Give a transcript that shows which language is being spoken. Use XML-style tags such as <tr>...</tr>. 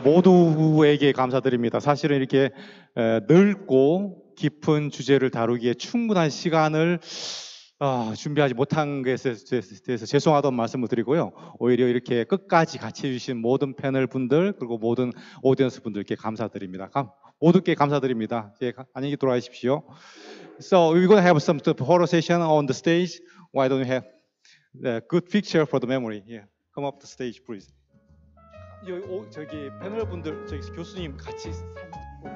<ko>모두에게 감사드립니다. 사실은 이렇게 넓고 깊은 주제를 다루기에 충분한 시간을 준비하지 못한 것에 대해서 죄송하다는 말씀을 드리고요. 오히려 이렇게 끝까지 같이 해주신 모든 패널 분들, 그리고 모든 오디언스 분들께 감사드립니다. 모두께 감사드립니다. 예, 안녕히 돌아가십시오.</ko> <en>So we're going to have some photo session on the stage. Why don't we have a good picture for the memory? Yeah. Come up the stage, please.</en> <ko>저기 패널 분들, 저기 교수님 같이.</ko>